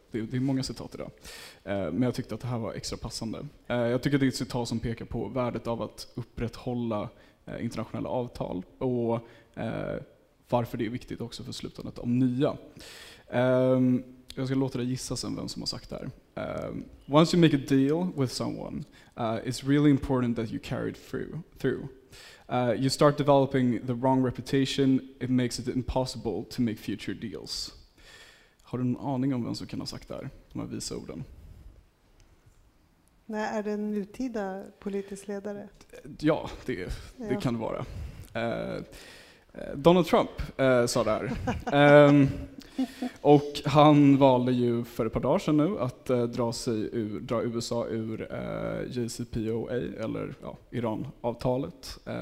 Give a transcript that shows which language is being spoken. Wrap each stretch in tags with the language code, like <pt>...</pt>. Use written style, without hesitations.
<sv>Det är många citat idag. Men jag tyckte att det här var extra passande. Jag tycker att det är ett citat som pekar på värdet av att upprätthålla internationella avtal. Och varför det är viktigt också för slutandet om nya. Jag ska låta dig gissa sen vem som har sagt det här.</sv> <en>Once you make a deal with someone, it's really important that you carry it through. You start developing the wrong reputation, it makes it impossible to make future deals.</en> <sv>Har du någon aning om vem som kan ha sagt där, de här visa orden? Nej, är det en nutida politisk ledare? Ja, det kan det vara. Donald Trump sa det här. Och han valde ju för ett par dagar sedan nu att dra USA ur JCPOA, eller ja, Iran-avtalet.</sv>